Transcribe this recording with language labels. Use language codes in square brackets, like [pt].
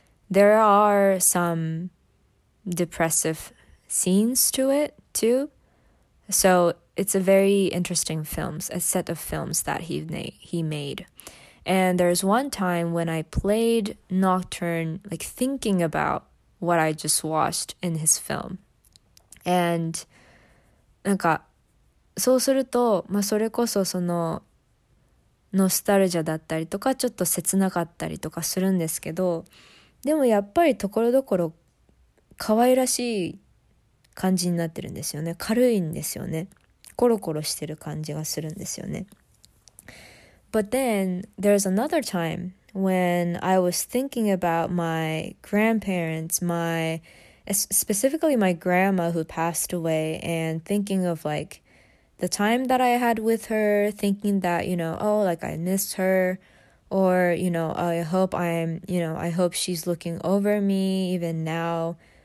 [en] There are some depressive scenes to it too. So it's a very interesting film, a set of films that he made. And there's one time when I played Nocturne, like thinking aboutWhat I just watched in his film. [ja] And, なんか、そうすると、まあ、それこそその、ノスタルジャだったりとか、ちょっと切なかったりとかするんですけど、でもやっぱりところどころ、可愛らしい感じになってるんですよね。軽いんですよね。コロコロしてる感じがするんですよね。 [en] But then, there's another time.When I was thinking about my grandparents, my specifically my grandma who passed away, and thinking of like the time that I had with her, thinking that, you know, oh, like I miss her, or, you know, I hope she's looking over me even now.